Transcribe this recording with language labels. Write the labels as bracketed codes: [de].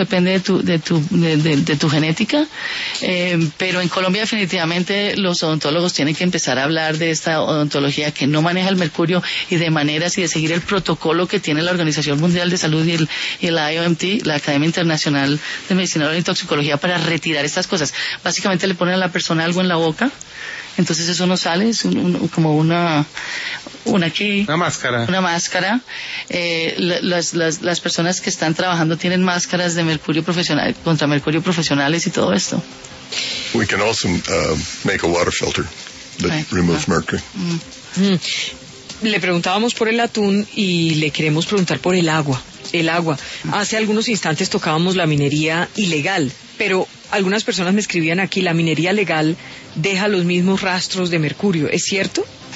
[es] Depende de tu genética. Pero en Colombia, definitivamente, los odontólogos tienen que empezar a hablar de esta odontología que no maneja el mercurio y de maneras y de seguir el protocolo que tiene la Organización Mundial de Salud y la IOMT, la Academia Internacional de Medicina y Toxicología, para retirar estas cosas. Básicamente le ponen a la persona algo en la boca. Entonces eso no sale, es una máscara. Las personas que están trabajando tienen máscaras de mercurio profesional, contra mercurio profesionales y todo esto. [en] We can also make a water filter that removes mercury. [es] Le preguntábamos por el atún y le queremos preguntar por el agua. Hace algunos instantes tocábamos la minería ilegal, pero algunas personas me escribían aquí, la minería legal deja los mismos rastros de mercurio, ¿es cierto?